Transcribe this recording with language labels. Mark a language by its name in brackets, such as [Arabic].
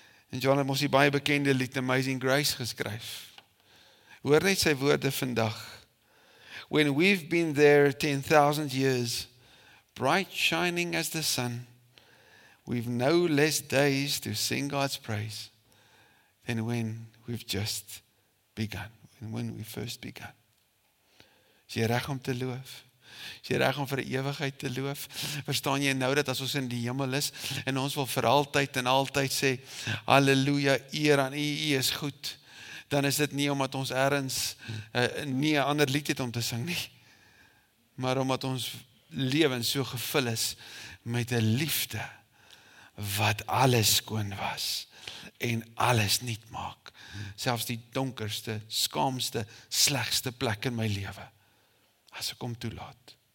[Afrikaans] En John het mos die baie bekende lied Amazing Grace geskryf. Hoor net sy woorde vandag. [English] When we've been there 10,000 years, bright shining as the sun, we've no less days to sing God's praise than when we've just begun, when we first begun. [Afrikaans] Is jy reg om te loof? Is jy reg om vir ewigheid te loof? Verstaan jy nou dat as ons in die hemel is en ons wil vir altyd en altyd sê, Halleluja, eer aan U, U is goed, dan is dit nie omdat ons ergens nie 'n ander lied het om te sing nie, maar omdat ons lewens so gevul is met 'n liefde wat alles skoon was en alles nuut maak, selfs die donkerste, skaamste, slegste plek in my lewe, as ek hom toelaat.